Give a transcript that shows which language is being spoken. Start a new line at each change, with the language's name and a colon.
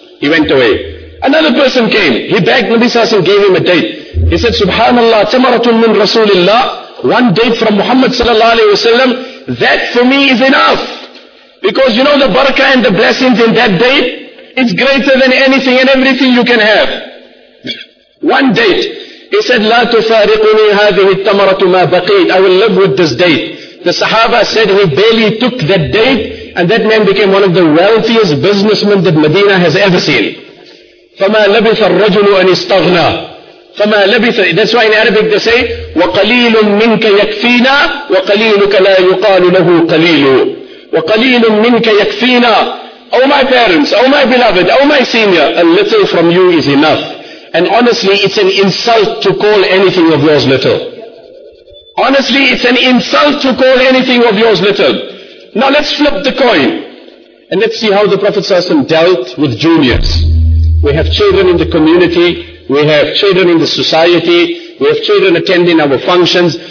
English: He went away. Another person came. He begged, Nabi sallallahu alaihi wasallam gave him a date. He said,
Arabic: subhanallah, tamaratun min rasulillah.
English: One date from Muhammad sallallahu alaihi wasallam. That for me is enough. Because you know the barakah and the blessings in that date, it's greater than anything and everything you can have. One date.
Arabic: He said, لا تفارقني هذه التمرة ما بقيت.
English: I will live with this date. The Sahaba said he barely took that date, and that man became one of the wealthiest businessmen that Medina has ever seen.
Arabic: فما لبث الرجل أن استغنى. فما لبث.
English: That's why in Arabic they say,
Arabic: وقليل منك يكفينا وقليلك لا يقال له قليل. وقليل منك يكفينا
English: Oh my parents, oh my beloved, oh my senior, a little from you is enough. And honestly, it's an insult to call anything of yours little. Honestly, it's an insult to call anything of yours little. Now let's flip the coin. And let's see how the Prophet ﷺ dealt with juniors. We have children in the community, we have children in the society, we have children attending our functions.